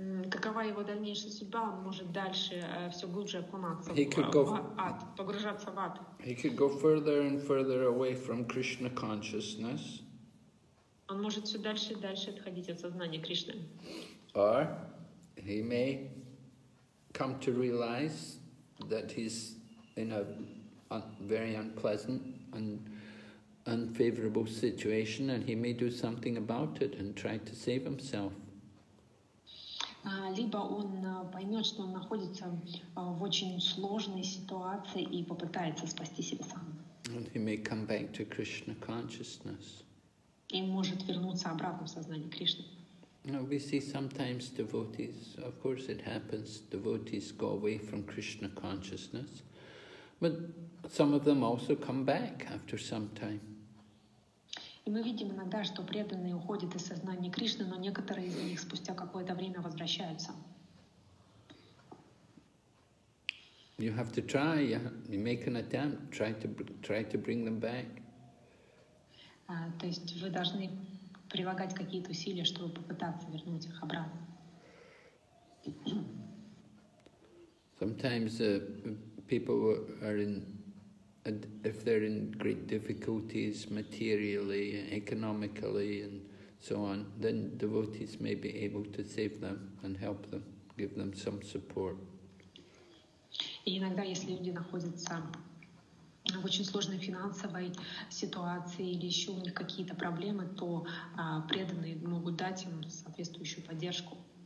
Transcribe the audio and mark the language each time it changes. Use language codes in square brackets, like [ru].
[ru] Какова его дальнейшая судьба? Он может дальше все глубже окунаться в ад, погружаться в ад. [en] He could go further and further away from Krishna consciousness. [ru] Он может все дальше и дальше отходить от сознания Кришны. [en] Or he may come to realize that he's in a very unpleasant and unfavorable situation, and he may do something about it and try to save himself. [ru] Либо он поймет, что он находится в очень сложной ситуации и попытается спасти себя сам. [en] And he may come back to Krishna consciousness. [ru] И может вернуться обратно в сознание Кришны. [en] Now we see sometimes devotees, of course it happens, devotees go away from Krishna consciousness, but some of them also come back after some time. [ru] И мы видим иногда, что преданные уходят из сознания Кришны, но некоторые из них спустя какое-то время возвращаются. [en] You have to try, you make an attempt, try to bring them back. [ru] То есть вы должны прилагать какие-то усилия, чтобы попытаться вернуть их обратно. [en] Sometimes people are in, if they're in great difficulties materially, economically, and so on, then devotees may be able to save them and help them, give them some support. [ru] И иногда, если люди находятся в очень сложной финансовой ситуации или еще у них какие-то проблемы, то преданные могут дать им соответствующую поддержку.